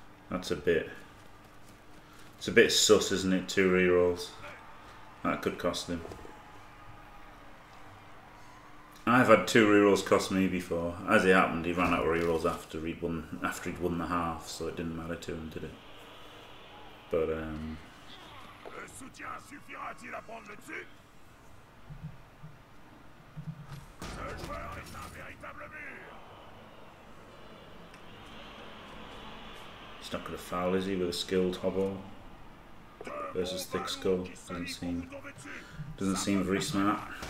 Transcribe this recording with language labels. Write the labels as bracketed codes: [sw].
[en] That's a bit. It's a bit sus, isn't it? Two rerolls. That could cost him. I've had two rerolls cost me before. As it happened, he ran out of rerolls after he'd won the half, so it didn't matter to him, did it? But [fr] Le soutien suffira-t-il à prendre le dessus? Ce joueur est un véritable mur. [en] He's not gonna foul, is he, with a skilled hobble? Versus thick skull. Doesn't seem very smart.